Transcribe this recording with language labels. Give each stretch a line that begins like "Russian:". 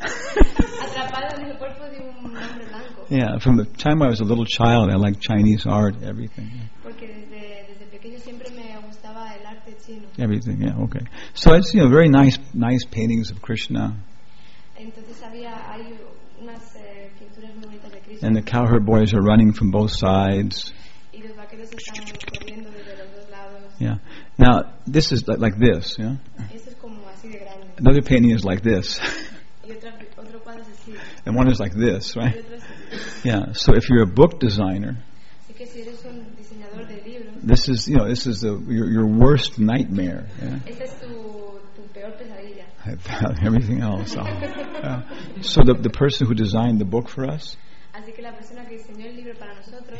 Spanish: Atrapado en el cuerpo de un hombre blanco.
English: Yeah, from the time I was a little child, I liked Chinese art, everything.
Spanish: Porque desde pequeño siempre me gustaba el arte chino.
English: Everything, yeah, okay. So it's, you know, very nice paintings of Krishna.
Spanish: Entonces hay unas pinturas muy bonitas de Krishna.
English: And the cowherd boys are running from both sides.
Spanish: Y los vaqueros están corriendo desde los dos lados.
English: Yeah. Now, this is like this, yeah?
Spanish: Este es como así de grande.
English: Another painting is like this.
Spanish: Y otro cuadro es así.
English: And one is like this, right?
Spanish: Y otro es así.
English: Yeah, so if you're a book designer,
Spanish: así que si eres un diseñador de libros,
English: this is, you know, this is your worst nightmare. Yeah?
Spanish: Esta es tu peor pesadilla.
English: I've found everything else. Oh. So the person who designed the book for us,
Spanish: así que la persona que diseñó el libro para nosotros,